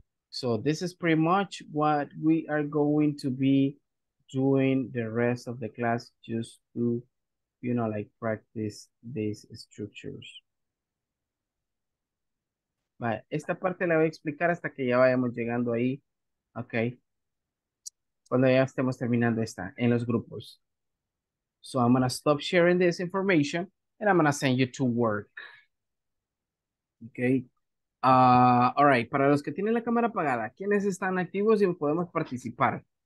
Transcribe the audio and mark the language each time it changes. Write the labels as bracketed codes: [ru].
[en] So, this is pretty much what we are going to be doing the rest of the class just to, you know, like practice these structures. [es] Vale, esta parte la voy a explicar hasta que ya vayamos llegando ahí, ok. Cuando ya estemos terminando esta en los grupos. [en] So I'm gonna stop sharing this information and I'm gonna send you to work. Ok. All right, [es] para los que tienen la cámara apagada, ¿quiénes están activos y podemos participar?